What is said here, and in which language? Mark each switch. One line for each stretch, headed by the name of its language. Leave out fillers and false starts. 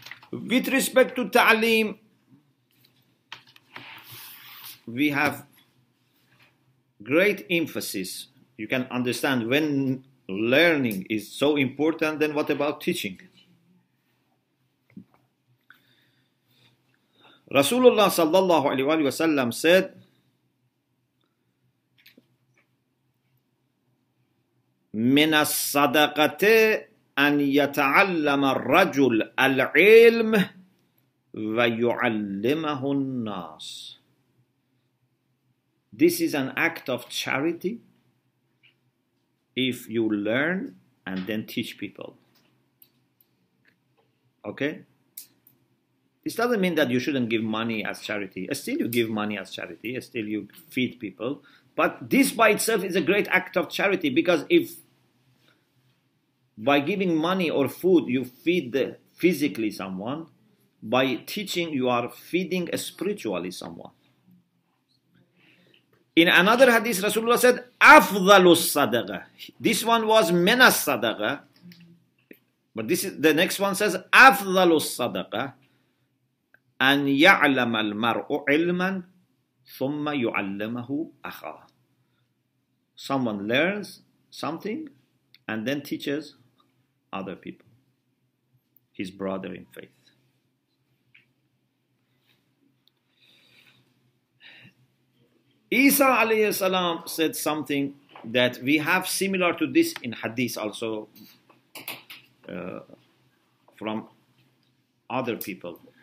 English: With respect to ta'aleem, we have great emphasis. You can understand when learning is so important, then what about teaching? Rasulullah sallallahu alaihi wa sallam said,
Arabic: من الصدقة أن يتعلم الرجل العلم ويعلمه الناس.
English: This is an act of charity if you learn and then teach people. Okay? This doesn't mean that you shouldn't give money as charity. Still, you give money as charity. Still, you feed people. But this by itself is a great act of charity, because if by giving money or food you feed physically someone, by teaching you are feeding spiritually someone. In another hadith, Rasulullah said,
Arabic: "Afdalu sadaqa."
English: This one was
Arabic: minas sadaqa,
English: but this is, the next one says,
Arabic: "Afdalu sadaqa." أن يعلم المرء علما ثم يعلمه أخاه.
English: Someone learns something and then teaches other people, his brother in faith. Isa alayhi salam said something that we have similar to this in hadith also from other people.